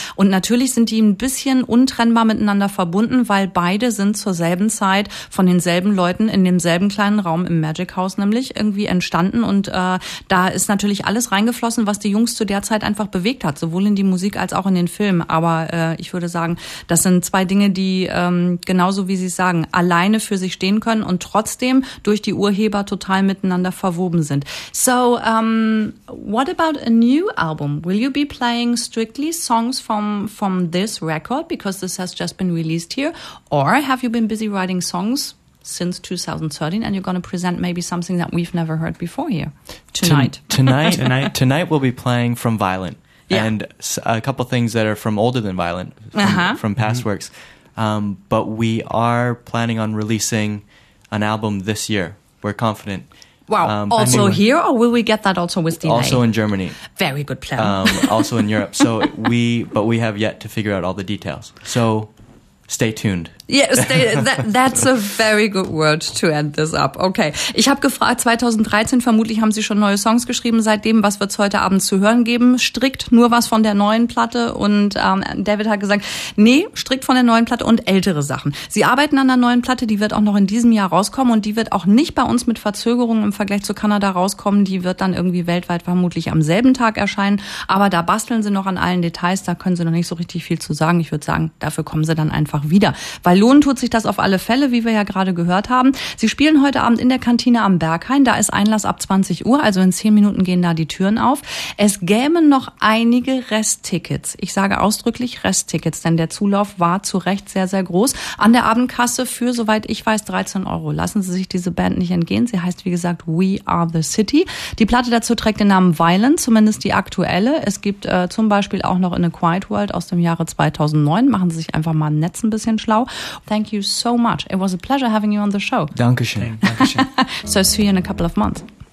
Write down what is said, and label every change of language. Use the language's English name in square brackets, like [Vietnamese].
[German] Und natürlich sind die ein bisschen untrennbar miteinander verbunden, weil beide sind zur selben Zeit von denselben Leuten in demselben kleinen Raum im Magic House nämlich irgendwie entstanden und da ist natürlich alles reingeflossen, was die Jungs zu der Zeit einfach bewegt hat, sowohl in die Musik als auch in den Film. Aber ich würde sagen, das sind zwei Dinge, die genauso wie Sie sagen, alleine für sich stehen können und trotzdem durch die Urheber total miteinander verwoben sind. [English] So, what about a new album? Will you be playing strictly songs from this record because this has just been released here? Or have you been busy writing songs since 2013 and you're going to present maybe something that we've never heard before here tonight? Tonight we'll be playing from Violent and a couple things that are from older than Violent, from past mm-hmm. works. But we are planning on releasing an album this year. We're confident. Wow. Also anyway. Here or will we get that also with DNA? Also in Germany. Very good plan. Also in Europe. So we have yet to figure out all the details. So stay tuned. Yeah, that's a very good word to end this up. [German] Okay, ich habe gefragt, 2013, vermutlich haben Sie schon neue Songs geschrieben seitdem. Was wird es heute Abend zu hören geben? Strikt nur was von der neuen Platte? Und David hat gesagt, nee, strikt von der neuen Platte und ältere Sachen. Sie arbeiten an der neuen Platte, die wird auch noch in diesem Jahr rauskommen und die wird auch nicht bei uns mit Verzögerungen im Vergleich zu Kanada rauskommen. Die wird dann irgendwie weltweit vermutlich am selben Tag erscheinen. Aber da basteln Sie noch an allen Details, da können Sie noch nicht so richtig viel zu sagen. Ich würde sagen, dafür kommen Sie dann einfach wieder. Weil lohnen tut sich das auf alle Fälle, wie wir ja gerade gehört haben. Sie spielen heute Abend in der Kantine am Berghain. Da ist Einlass ab 20 Uhr, also in 10 Minuten gehen da die Türen auf. Es gämen noch einige Resttickets. Ich sage ausdrücklich Resttickets, denn der Zulauf war zu Recht sehr, sehr groß. An der Abendkasse für, soweit ich weiß, 13 Euro. Lassen Sie sich diese Band nicht entgehen. Sie heißt, wie gesagt, We Are The City. Die Platte dazu trägt den Namen Violent, zumindest die aktuelle. Es gibt zum Beispiel auch noch In A Quiet World aus dem Jahre 2009. Machen Sie sich einfach mal im Netz ein bisschen schlau. [English] Thank you so much. It was a pleasure having you on the show. [German] Dankeschön. [English] So see you in a couple of months.